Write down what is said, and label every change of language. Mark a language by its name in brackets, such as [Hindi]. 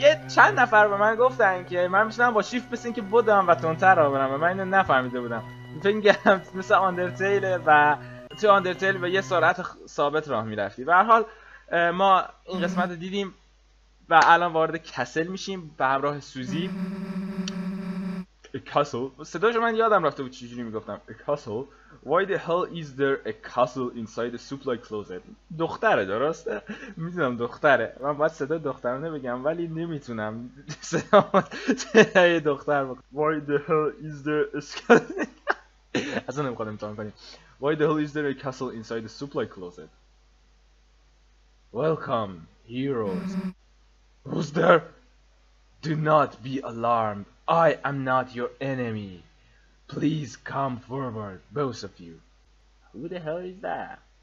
[Persian] یه چند نفر به من گفتن که من میشنم با شیفت بسین که بودم و تونتر رو برم و من اینو نفهمیده بودم، فکر میگردم مثل اندرتیل و تو اندرتیل و یه سرعت ثابت راه میرفتی. به هر حال ما این قسمت رو دیدیم و الان وارد کسل میشیم به همراه سوزی. [English] A castle. [Persian] صداش من یادم رفته بود چجوری میگفتم. [English] A castle. Why the hell is there a castle inside a supply closet? [Persian] دختره درسته؟ میدونم دختره. من باید صدای دخترانه بگم ولی نمیتونم. صدای دختر بگم. [English] Why the hell is there a castle? [Persian] اصلا نمیخوام امتحان کنیم. [English] Why the hell is there a castle inside a supply closet? Welcome, heroes. Who's there? Do not be alarmed. I am not your enemy. Please come forward, both of you. Who the hell is that?